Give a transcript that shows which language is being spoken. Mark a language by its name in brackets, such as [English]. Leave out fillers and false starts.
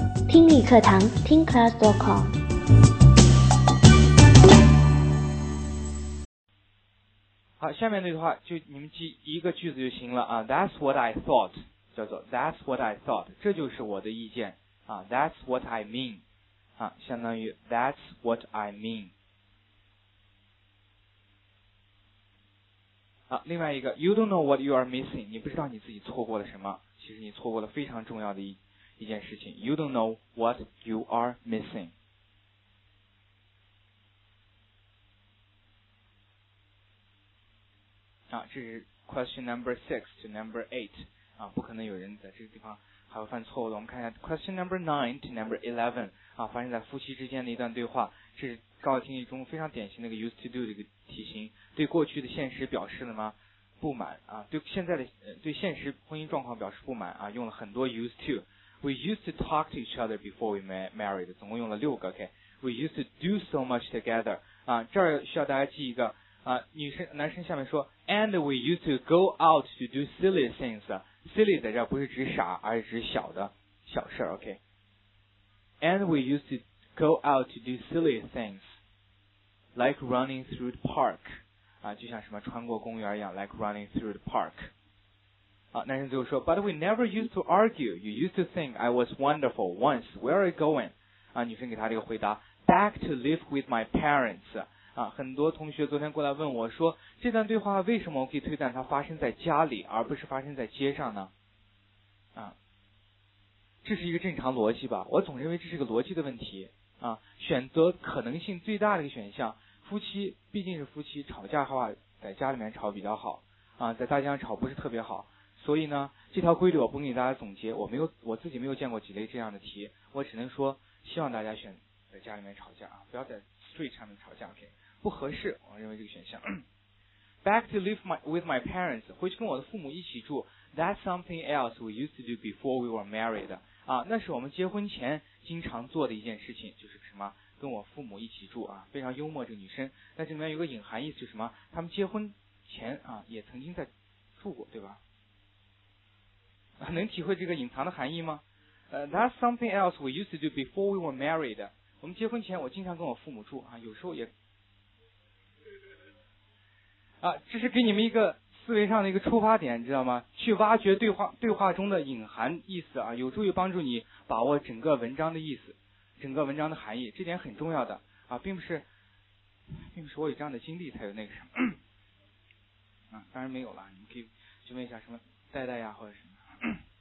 [Chinese] 理课堂听 class.com。好，下面的话就你们记一个句子就行了啊。 [English] That's what I thought， [Chinese] 叫做 [English] That's what I thought， [Chinese] 这就是我的意见啊。 [English] That's what I mean， [Chinese] 啊，相当于 [English] That's what I mean。 [Chinese] 啊，另外一个 [English] You don't know what you are missing， [Chinese] 你不知道你自己错过了什么。其实你错过了非常重要的一件事情。 [English] You don't know what you are missing。 [Chinese] 啊，这是 [English] question number 6 to number 8。 [Chinese] 啊，不可能有人在这个地方还会犯错误的。我们看一下 [English] question number 9 to number 11。 [Chinese] 啊，发生在夫妻之间的一段对话。这是高考题中非常典型的一个 used to do 的一个题型。对过去的现实表示了吗？不满啊，对现在的对现实婚姻状况表示不满啊，用了很多 used to。 [English] We used to talk to each other before we married， [Chinese] 总共用了6个。 [English] OK， we used to do so much together。 [Chinese] 啊，这儿需要大家记一个啊，男生下面说 [English] ，and we used to go out to do silly things。 [Chinese] silly 在这儿不是指傻，而是指小的小事。 [English] OK， and we used to go out to do silly things， like running through the park。 [Chinese] 啊，就像什么穿过公园一样 ， [English] like running through the park。 [Chinese] 啊，男生最后说 [English] ，But we never used to argue. You used to think I was wonderful once. Where are you going？ [Chinese] 啊，女生给他这个回答 [English] ，Back to live with my parents。 [Chinese] 啊，很多同学昨天过来问我说，这段对话为什么我可以推断它发生在家里，而不是发生在街上呢？啊，这是一个正常逻辑吧？我总认为这是个逻辑的问题。啊，选择可能性最大的一个选项。夫妻毕竟是夫妻，吵架的话在家里面吵比较好啊，在大街上吵不是特别好。所以呢，这条规律我不给大家总结，我自己没有见过几类这样的题，我只能说希望大家选在家里面吵架啊，不要在 street 上面吵架。 OK， 不合适，我认为这个选项。 [English] Back to live with my parents， [Chinese] 回去跟我的父母一起住。 [English] That's something else we used to do before we were married， [Chinese] 啊，那是我们结婚前经常做的一件事情，就是什么跟我父母一起住啊，非常幽默这个女生。那这里面有个隐含意思，就是什么？他们结婚前啊，也曾经在住过，对吧？能体会这个隐藏的含义吗？ [English] That's something else we used to do before we were married。 [Chinese] 我们结婚前，我经常跟我父母住啊，有时候也啊，这是给你们一个思维上的一个出发点，知道吗？去挖掘对话中的隐含意思啊，有助于帮助你把握整个文章的意思。整个文章的含义，这点很重要的啊，并不是我有这样的经历才有那个什么啊，当然没有了，你们可以去问一下什么戴戴呀或者什么。